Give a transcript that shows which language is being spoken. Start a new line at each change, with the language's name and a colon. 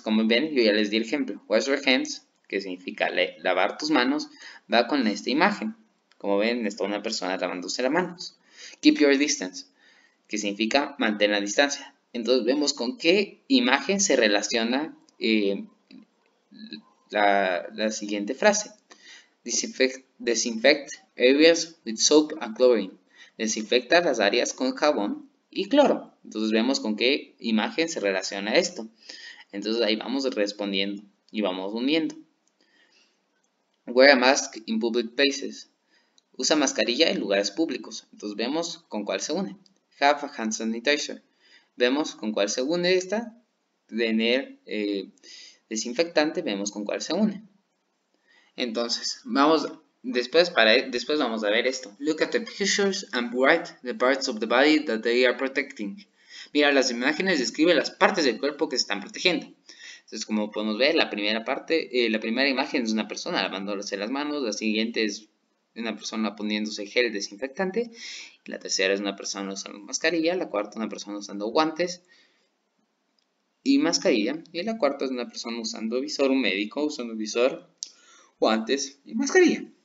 Spanish: Como ven, yo ya les di el ejemplo.
English: Wash your hands,
Spanish: que significa lavar tus manos, va con esta imagen. Como ven, está una persona lavándose las manos.
English: Keep your distance,
Spanish: que significa mantén la distancia. Entonces vemos con qué imagen se relaciona la siguiente frase.
English: Disinfect areas with soap and chlorine.
Spanish: Desinfecta las áreas con jabón y cloro. Entonces vemos con qué imagen se relaciona esto. Entonces ahí vamos respondiendo y vamos uniendo.
English: Wear a mask in public places.
Spanish: Usa mascarilla en lugares públicos. Entonces vemos con cuál se une.
English: Have a hand sanitizer.
Spanish: Vemos con cuál se une esta. Tener desinfectante. Vemos con cuál se une. Entonces, vamos. Después vamos a ver esto.
English: Look at the pictures and write the parts of the body that they are protecting.
Spanish: Mira las imágenes y describe las partes del cuerpo que se están protegiendo. Entonces, como podemos ver, la primera imagen es una persona lavándose las manos, la siguiente es una persona poniéndose gel desinfectante, la tercera es una persona usando mascarilla, la cuarta una persona usando guantes y mascarilla, y la cuarta es una persona usando visor, un médico usando visor, guantes y mascarilla.